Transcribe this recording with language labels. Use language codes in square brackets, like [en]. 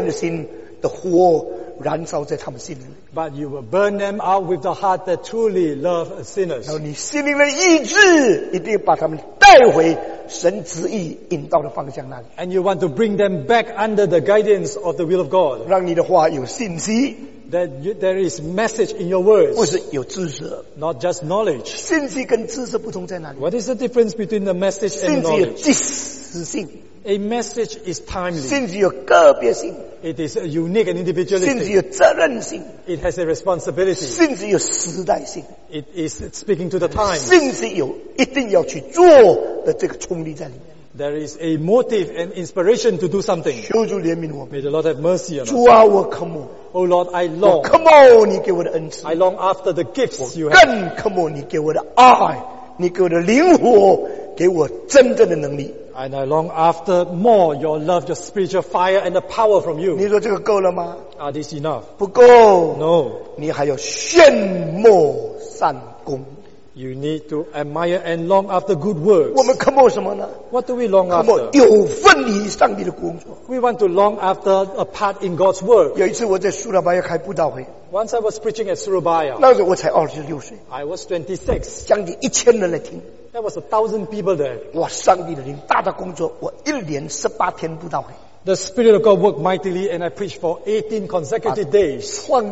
[zh] 你把最温暖、最温情、最真正爱罪人的心的火燃烧在他们心里。 [en] But you will burn them out with the heart that truly loves sinners. [zh] 然后你心灵的意志一定把他们带回神旨意引导的方向那里。 [en] And you want to bring them back under the guidance of the will of God. [zh] 让你的话有信息。 [en] That there is message in your words. [zh] 不是有知识, [en] not just knowledge. [zh] 信息跟知识不同在哪里? [en] What is the difference between the message and knowledge? [zh] 信息有即时性, [en] a message is timely. [zh] 信息有个别性, [en] it is unique and individualistic. [zh] 信息有责任性, [en] it has a responsibility. [zh] 信息有时代性, [en] it is speaking to the time. [zh] 信息有一定要去做的这个冲力在里面。 [en] There is a motive and inspiration to do something. [zh] 求主怜悯我们, [en] may the Lord have mercy on us. [zh] 主啊, 我渴慕, [en] oh Lord, I long. [zh] 我渴慕你给我的恩赐, [en] I long after the gifts you have. [zh] 更渴慕你给我的爱, 你给我的灵活, 给我真正的能力。 [en] And I long after more your love, your spiritual fire and the power from you. [zh] 你说这个够了吗? [en] Are this enough? [zh] 不够。 [en] No. [zh] 你还要炫目善功。 [en] You need to admire and long after good works. [zh] 我们渴慕什么呢? [en] What do we long after? [zh] 渴慕有份于上帝的工作。 [en] We want to long after a part in God's work. [zh] 有一次我在苏拉巴亚开布道会。 [en] Once I was preaching at Surabaya. [zh] 那时候我才26岁。 [en] I was 26. [zh] 将近1000人来听。 [en] There was 1,000 people there. [zh] 哇，上帝的灵大的工作，我一年18天布道会。 [en] The Spirit of God worked mightily and I preached for 18 consecutive days.